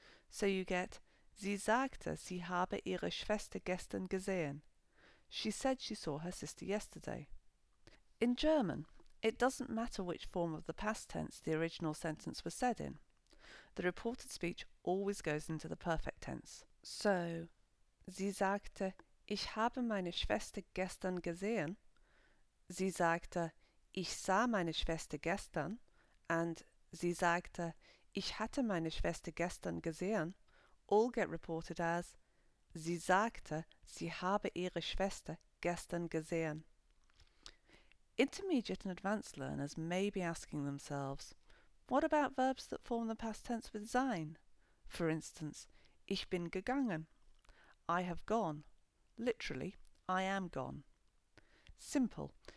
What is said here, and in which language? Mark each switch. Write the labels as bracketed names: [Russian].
[English] So you get, [German] sie sagte, sie habe ihre Schwester gestern gesehen. [English] She said she saw her sister yesterday. In German, it doesn't matter which form of the past tense the original sentence was said in. The reported speech always goes into the perfect tense. [German] So, sie sagte, ich habe meine Schwester gestern gesehen. Sie sagte, ich sah meine Schwester gestern. And sie sagte, ich hatte meine Schwester gestern gesehen. [English] All get reported as, [German] sie sagte, sie habe ihre Schwester gestern gesehen. [English] Intermediate and advanced learners may be asking themselves, What about verbs that form the past tense with sein? For instance, [German] ich bin gegangen. [English] I have gone. Literally, I am gone. Simple.